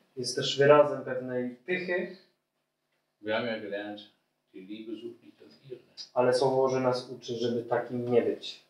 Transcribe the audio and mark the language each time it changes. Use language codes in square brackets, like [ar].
[pl] Jest też wyrazem pewnej pychy. [de] Wir haben ja gelernt, die Liebe sucht nicht das ihre. [pl] Ale Słowo Boże nas uczy, żeby takim nie być.